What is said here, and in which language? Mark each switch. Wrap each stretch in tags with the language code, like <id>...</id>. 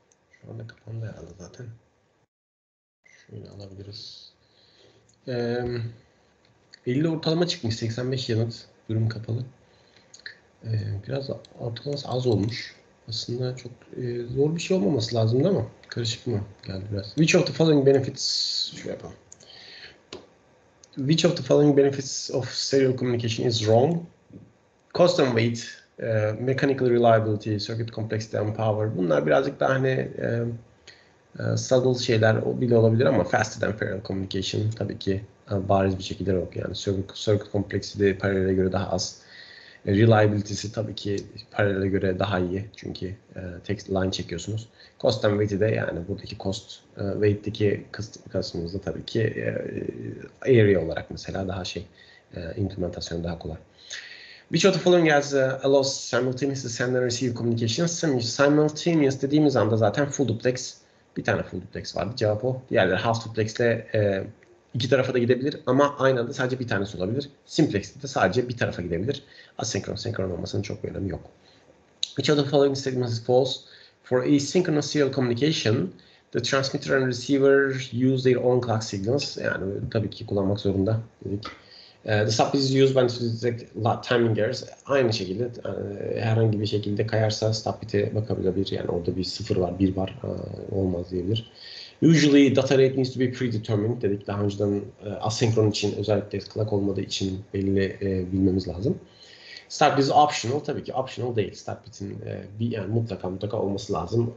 <tr>Şu anda kapandı herhalde zaten. Şöyle alabiliriz. 50 ortalama çıkmış. 85 yanıt. Durum kapalı. Biraz ortalaması az olmuş. Aslında çok zor bir şey olmaması lazımdı ama karışık mı geldi biraz.</tr> <en>Which of the following benefits?</en> <tr>Şöyle yapalım.</tr> <en>Which of the following benefits of serial communication is wrong? Cost and weight, mechanical reliability, circuit complexity and power.</en> <tr>Bunlar birazcık daha hani subtle şeyler bile olabilir ama</tr> <en>faster than parallel communication</en> <tr>tabii ki bariz bir şekilde yok. Yani circuit complexity paralele göre daha az. Reliability'si tabii ki paralele göre daha iyi. Çünkü text line çekiyorsunuz.</tr> <en>Cost and weight'i</en> <tr>de yani buradaki cost weight'teki kısmımızda tabii ki area olarak mesela daha şey implementasyon daha kolay.</tr> <en>Which of the following has allows simultaneous send and receive communications?</en> <tr>Simultaneous dediğimiz anda zaten full duplex. Bir tane full duplex vardı. Cevap o. Diğerleri half duplex de İki tarafa da gidebilir ama aynı anda sadece bir tanesi olabilir. Simplex'te de sadece bir tarafa gidebilir. Asynkron, senkron olmasının çok bir önemi yok.</tr> <en>Each of the following statements is false. For asynchronous serial communication, the transmitter and receiver use their own clock signals.</en> <tr>Yani tabii ki kullanmak zorunda dedik.</tr> <en>The sub is used when the timing errors.</en> <tr>Aynı şekilde herhangi bir şekilde kayarsa stop bit'e bakabilir. Yani orada bir sıfır var, bir var olmaz diyebilir.</tr> <en>Usually data rate needs to be predetermined</en> <tr>dedik. Daha önceden asinkron için özellikle clock olmadığı için belli bilmemiz lazım.</tr> <en>Start is optional</en> <tr>tabii ki optional değil. Start bit'in bir yani mutlaka olması lazım.</tr>